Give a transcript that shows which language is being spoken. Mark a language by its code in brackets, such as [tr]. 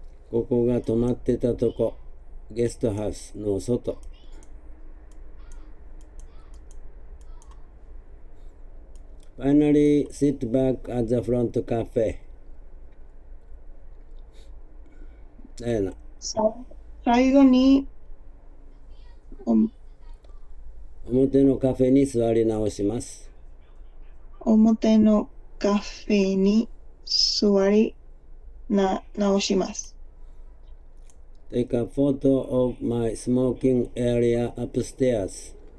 [ja] ここが泊まってたとこ、ゲストハウスの外。 [en] Finally, sit back at the front cafe. Diana. [ja] So, 最後に、表のカフェに座り直します。表のカフェに座り直します。 [en] Take a photo of my smoking area upstairs.